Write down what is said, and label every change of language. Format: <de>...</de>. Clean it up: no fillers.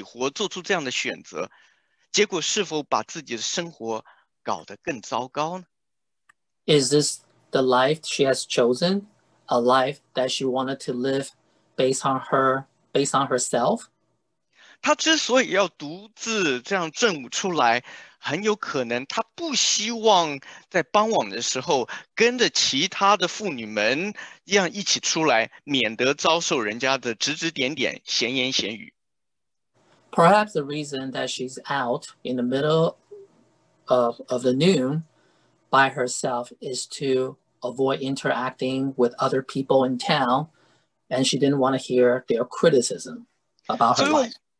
<zh>这是她的选择，是不是这样子？她希望能够为自己活，做出这样的选择， 结果是否把自己的生活搞得更糟糕呢？</zh> <en>Is this the life she has chosen? A life that she wanted to live based on herself?</en> <zh>她之所以要独自这样正午出来，很有可能她不希望在傍晚的时候跟着其他的妇女们一样一起出来，免得遭受人家的指指点点、闲言闲语。</zh> <en>Perhaps the reason that she's out in the middle of the noon by herself is to avoid interacting with other people in town, and she didn't want to hear their criticism about her life.</en>